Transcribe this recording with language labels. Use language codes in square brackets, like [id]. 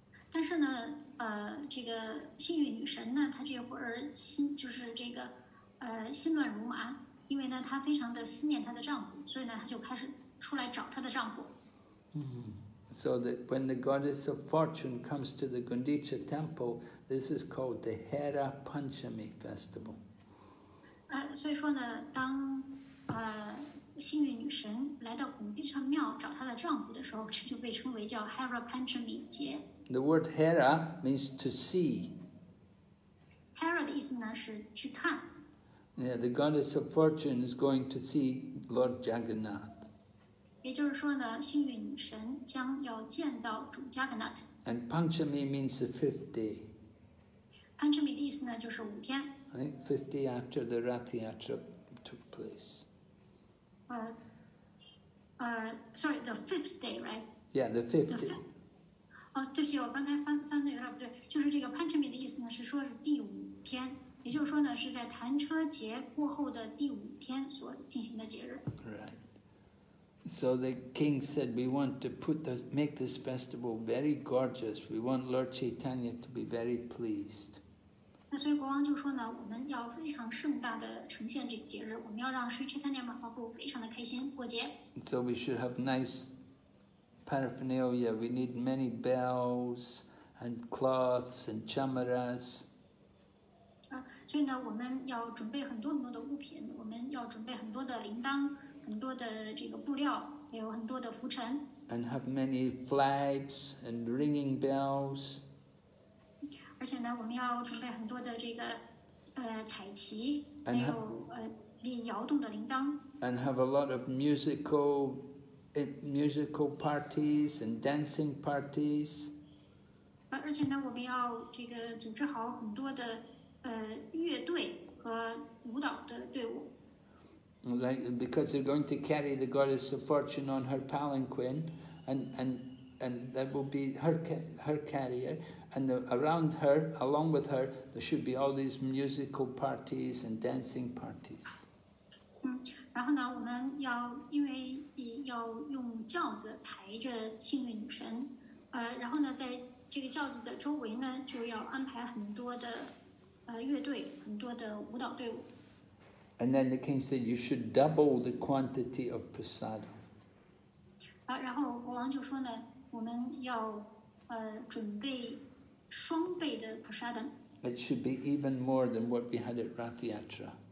[zh] 但是呢，这个幸运女神呢，她这会儿心就是这个，心乱如麻，因为呢，她非常的思念她的丈夫，所以呢，她就开始出来找她的丈夫。 [en] So that when the goddess of fortune comes to the Gundicha temple, this is called the Hera Panchami festival. [zh] 所以说呢，当幸运女神来到贡蒂彻庙找她的丈夫的时候，这就被称为叫 Hera Panchami 节。 [en] The word Hera means to see. [zh] Hera 的意思呢是去看。 [en] Yeah, the goddess of fortune is going to see Lord Jagannath. [zh] 也就是说呢，幸运女神将要见到主加格纳特。 [en] And Panchami means the fifth day. [zh] Panchami 的意思呢，就是五天。 [en] Right, 50 after the Rathiatra took place. Sorry, the fifth day, right? Yeah, the fifth day. [zh] 对不起，我刚才翻的有点不对，就是这个 Panchami 的意思呢，是说是第五天，也就是说呢，是在弹车节过后的第五天所进行的节日。 [en] Right. So the king said, we want to make this festival very gorgeous. We want Lord Chaitanya to be very pleased. [zh] 那所以国王就说呢，我们要非常盛大的呈现这个节日，我们要让 Sri Chaitanya Mahaprabhu 非常的开心过节。 [en] So we should have nice paraphernalia. We need many bells and cloths and chamaras. [zh] 所以呢，我们要准备很多很多的物品，我们要准备很多的铃铛。很多的这个布料，也有很多的浮尘。 [en] And have many flags and ringing bells. [zh] 而且呢，我们要准备很多的这个彩旗，还有摇动的铃铛。 [en] And have a lot of musical parties and dancing parties. [zh] 而且呢，我们要这个组织好很多的乐队和舞蹈的队伍。 [en] Like, because they're going to carry the goddess of fortune on her palanquin, and that will be her carrier, and around her, along with her, there should be all these musical parties and dancing parties. [zh] 然后呢，我们要因为要用轿子抬着幸运女神，然后呢，在这个轿子的周围呢，就要安排很多的乐队，很多的舞蹈队伍。 [en] And then the king said, you should double the quantity of prasadam. [zh] 然后国王就说呢，我们要准备双倍的 prasadam. [en] It should be even more than what we had at Rathiatra.